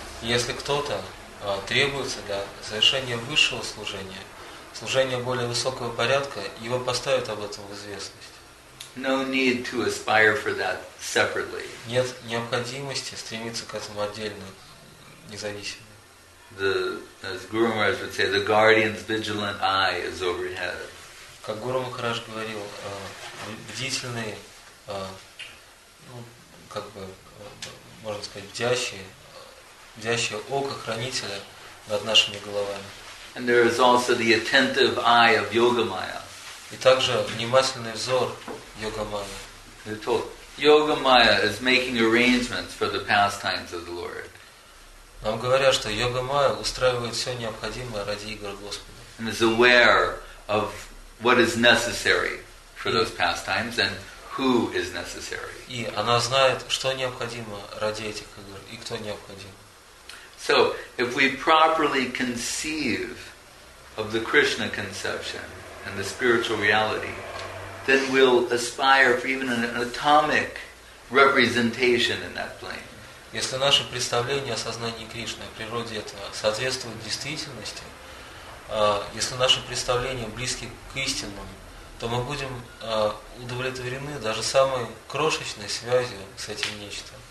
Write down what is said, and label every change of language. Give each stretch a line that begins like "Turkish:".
Russian: Если кто-то требуется для совершения высшего служения, служения более высокого порядка, его поставят об этом в известность.
English: No need to aspire for that separately.
Russian: Нет необходимости стремиться к этому отдельно, независимо.
English: The, as Guru Maharaj would say, the guardian's vigilant eye is overhead.
Russian: Как Гуру Махарадж говорил, бдительный, ну, как бы, можно сказать, бдящее око хранителя над нашими головами.
English: And there is also the attentive eye of Yogamaya.
Russian: И также внимательный взор Йогамая.
English: They're told, Yogamaya is making arrangements for the pastimes of the Lord.
Russian: Нам говорят, что Йогамая устраивает все необходимое ради игр Господа.
English: And is aware of what is necessary for those pastimes and who is necessary.
Russian: И она знает, что необходимо ради этих игр и кто необходим.
English: So, if we properly conceive of the Krishna conception and the spiritual reality, then we'll aspire for even an atomic representation in that plane.
Russian: Если наше представление о сознании Кришны, о природе этого, соответствует действительности, если наши представления близки к истинным, то мы будем удовлетворены даже самой крошечной связью с этим нечто.